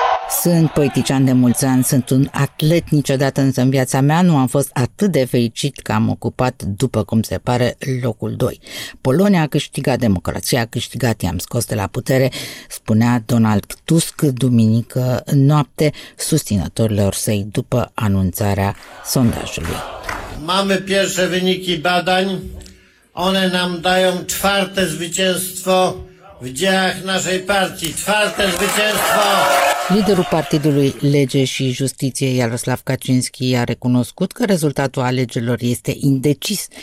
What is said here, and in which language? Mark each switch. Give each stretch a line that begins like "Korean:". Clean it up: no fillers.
Romanian: Sunt poetician de mulți ani, sunt un atlet, niciodată însă în viața mea nu am fost atât de fericit că am ocupat, după cum se pare, locul 2. Polonia a câștigat, democrația a câștigat, i-am scos de la putere, spunea Donald Tusk duminică noapte susținătorilor săi după anunțarea sondajului.
Polish: Mamy pierwsze wyniki badań. One nam dają czwarte zwycięstwo w dziejach naszej partii. Czwarte zwycięstwo!
Romanian: Liderul Partidului Lege și Justiție, Jaroslav Kaczynski, a recunoscut că rezultatul alegerilor este indecis.